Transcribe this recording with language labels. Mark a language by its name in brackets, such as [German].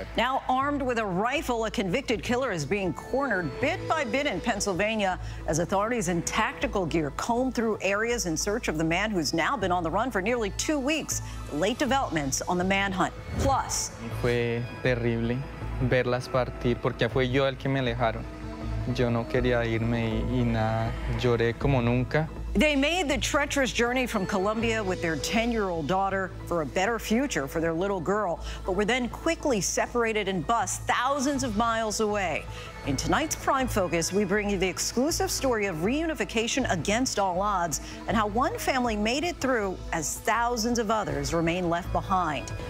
[English] Now armed with a rifle, a convicted killer is being cornered bit by bit in Pennsylvania as authorities in tactical gear comb through areas in search of the man who's now been on the run for nearly 2 weeks. Late developments on the manhunt. Plus, [Spanish] fue terrible verlas partir porque fue yo el que me alejaron. Yo no quería irme y nada, lloré como nunca. [English] They made the treacherous journey from Colombia with their 10-year-old daughter for a better future for their little girl, but were then quickly separated and bused thousands of miles away. In tonight's Prime Focus, we bring you the exclusive story of reunification against all odds and how one family made it through as thousands of others remain left behind.